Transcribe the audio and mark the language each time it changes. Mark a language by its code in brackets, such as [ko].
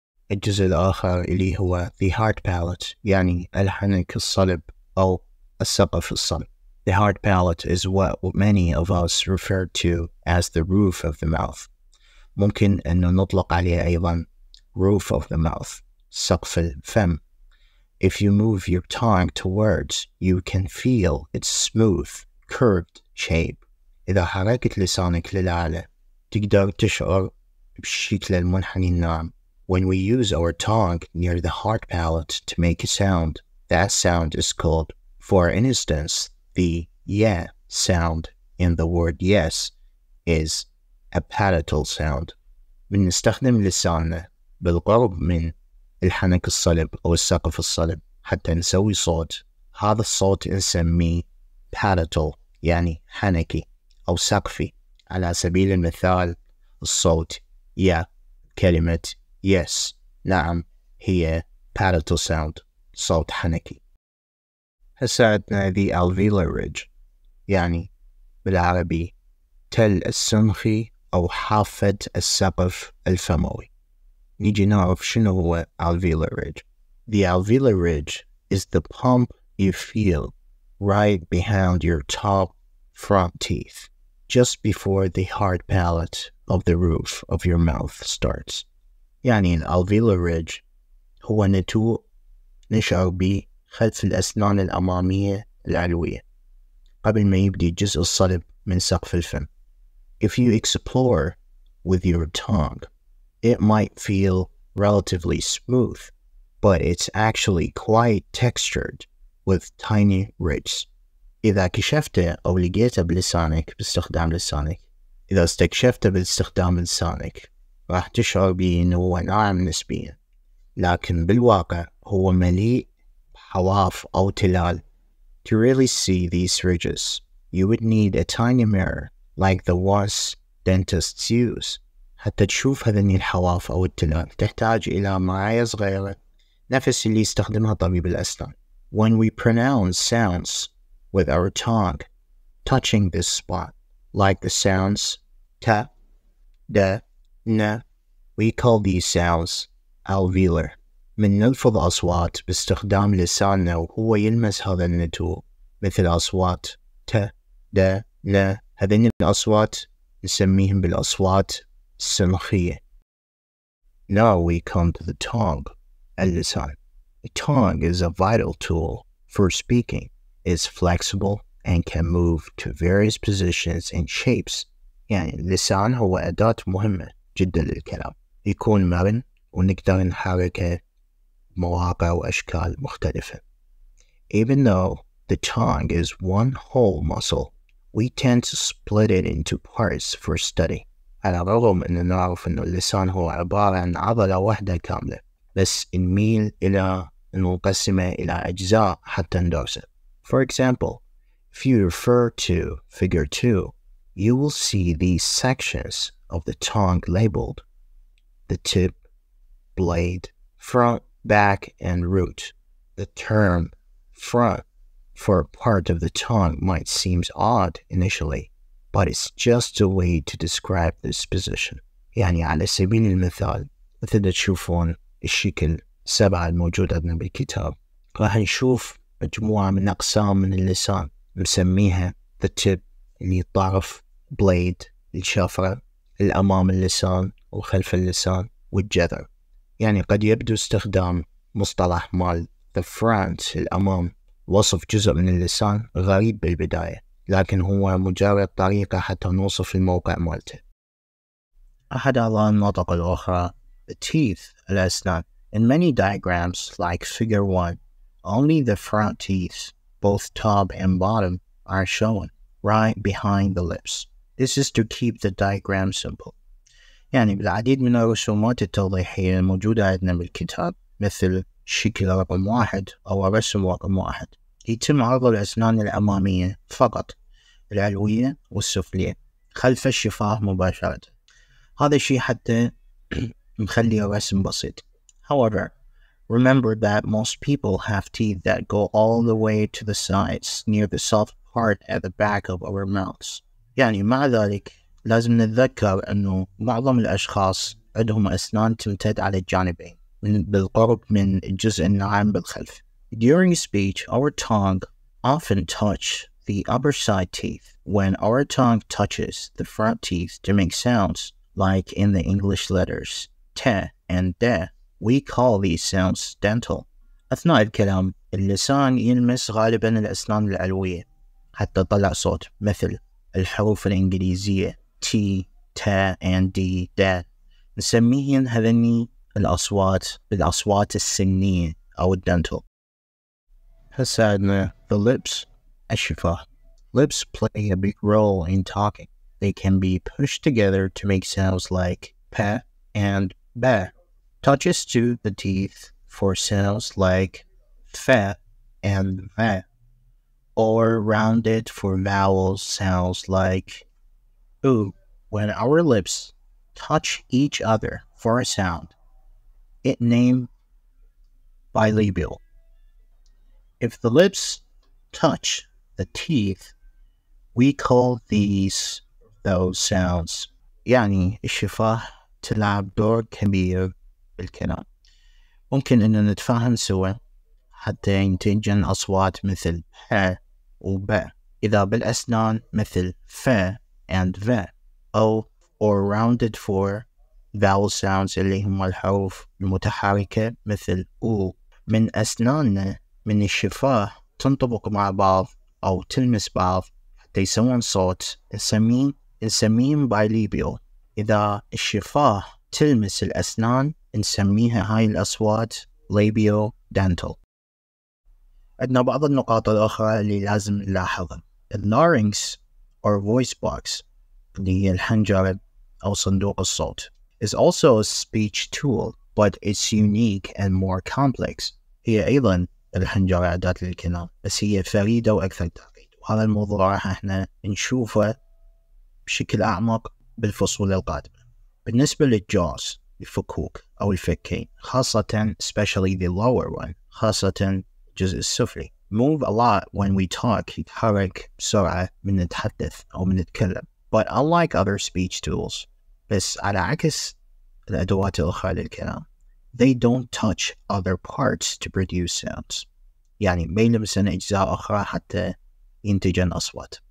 [ar] الجزء الآخر اللي هو the heart palate يعني الحنك الصلب أو السقف الصلب. [en] The hard palate is what many of us refer to as the roof of the mouth. [ar] ممكن أن نطلق عليها أيضا [en] roof of the mouth, [ar] سقف الفم. [en] If you move your tongue towards, you can feel its smooth, curved shape. [ar] إذا حركت لسانك للأعلى, تقدر تشعر بالشكل المنحني الناعم. [en] When we use our tongue near the hard palate to make a sound, that sound is called, for instance, the yeah sound in the word yes is a palatal sound. [ar] من نستخدم لساننا بالقرب من الحنك الصلب أو السقف الصلب حتى نسوي صوت. هذا الصوت نسميه palatal يعني حنكي أو سقفي. على سبيل المثال الصوت yeah كلمة yes نعم هي palatal sound صوت حنكي. هسا عندنا the alveolar ridge يعني بالعربي تل السنخي أو حافة السقف الفموي. نيجي نعرف شنو هو alveolar ridge. [en] The alveolar ridge is the pump you feel right behind your top front teeth, just before the hard palate of the roof of your mouth starts. [ar] يعني alveolar ridge هو نتوء نشعر به خلف الأسنان الأمامية العلوية قبل ما يبدي الجزء الصلب من سقف الفم. [en] If you explore with your tongue, it might feel relatively smooth, but it's actually quite textured with tiny ridges. [ar] إذا كشفت أو لقيت بلسانك باستخدام لسانك, إذا استكشفت باستخدام لسانك, راح تشعر بأنه هو ناعم نسبياً. لكن بالواقع هو مليء بحواف أو تلال. [en] To really see these ridges, you would need a tiny mirror like the ones dentists use. [ar] حتى تشوف هذني الحواف أو التلال تحتاج إلى معاية صغيرة نفس اللي يستخدمها طبيب الأسنان. [en] When we pronounce sounds with our tongue touching this spot, like the sounds ta, da, na, we call these sounds alveolar. [ar] من نلفظ أصوات باستخدام لساننا وهو يلمس هذا النتوء مثل أصوات ت د ن هذين الأصوات نسميهم بالأصوات السنخية. [en] Now we come to the tongue, اللسان. The tongue is a vital tool for speaking. It's flexible and can move to various positions and shapes. [ar] يعني اللسان هو أداة مهمة جدا للكلام. يكون مرن ونقدر نحركه مواقع وأشكال مختلفة. [en] Even though the tongue is one whole muscle, we tend to split it into parts for study. [ar] على الرغم أن نعرف أن اللسان هو عبارة عن عضلة واحدة كاملة, بس نميل إلى أن نقسمه إلى أجزاء حتى ندرسه. [en] For example, if you refer to figure 2, you will see these sections of the tongue labeled the tip, blade, front, back and root. The term front for part of the tongue might seem odd initially, but it's just a way to describe this position. [ar] يعني على سبيل المثال مثل تشوفون الشكل 7 الموجود عندنا بالكتاب راح نشوف مجموعة من أقسام من اللسان نسميها the tip اللي الطرف blade الشفرة الأمام اللسان وخلف اللسان والجذر. يعني قد يبدو استخدام مصطلح مال the front الأمام وصف جزء من اللسان غريب بالبداية, لكن هو مجرد طريقة حتى نوصف الموقع مالته. أحد أعضاء النطق الأخرى [en] the teeth الأسنان. In many diagrams like figure 1, only the front teeth, both top and bottom, are shown right behind the lips. This is to keep the diagram simple. [ar] يعني بالعديد من الرسومات التوضيحية الموجودة عندنا بالكتاب مثل شكل رقم 1 أو رسم رقم 1 يتم عرض الأسنان الأمامية فقط العلوية والسفلية خلف الشفاه مباشرة. هذا الشيء حتى مخلي الرسم بسيط. [en] However, remember that most people have teeth that go all the way to the sides near the soft part at the back of our mouths. [ar] يعني مع ذلك لازم نتذكر أنه معظم الأشخاص عندهم أسنان تمتد على الجانبين من بالقرب من الجزء الناعم بالخلف. [en] During speech, our tongue often touch the upper side teeth when our tongue touches the front teeth to make sounds, like in the English letters te and de. We call these sounds dental. [ar] أثناء الكلام اللسان يلمس غالبا الأسنان العلوية حتى طلع صوت مثل الحروف الإنجليزية تي تا and دي دا. نسميهن هذني الأصوات بالأصوات السنية أو الدنتل. هساعدنا the lips. الشفاه. [en] Lips play a big role in talking. They can be pushed together to make sounds like p and b. Touches to the teeth for sounds like f and v, or rounded for vowel sounds like u. When our lips touch each other for a sound, it named bilabial. If the lips touch the teeth, we call these those sounds. [ar] يعني الشفاه تلعب دور كبير بالكلام. ممكن إننا نتفاهم سوا حتى ينتجن أصوات مثل ح و ب. إذا بالأسنان مثل ف and v. [en] O or rounded for vowel sounds [ar] اللي هم الحروف المتحركة مثل [en] U. [ar] من أسناننا من الشفاه تنطبق مع بعض أو تلمس بعض حتى يسوون صوت نسميهم bilabial. إذا الشفاه تلمس الأسنان نسميها هاي الأصوات labial dental. عندنا بعض النقاط الأخرى اللي لازم نلاحظها. [en] Larynx or voice box [ar] اللي هي الحنجرة أو صندوق الصوت [en] is also a speech tool, but it's unique and more complex. [ar] هي أيضا الحنجرة أداة للكلام بس هي فريدة وأكثر تعقيد. وهذا الموضوع راح احنا نشوفه بشكل أعمق بالفصول القادمة. بالنسبة للجوز الفكوك أو الفكين خاصة [en] especially the lower one [ar] خاصة الجزء السفلي [en] move a lot when we talk. [ar] يتحرك بسرعة من نتحدث أو من نتكلم. [en] But unlike other speech tools, [ar] بس على عكس الأدوات الأخرى للكلام, [en] they don't touch other parts to produce sounds. [ar] يعني ما يلمسن أجزاء أخرى حتى ينتجن أصوات.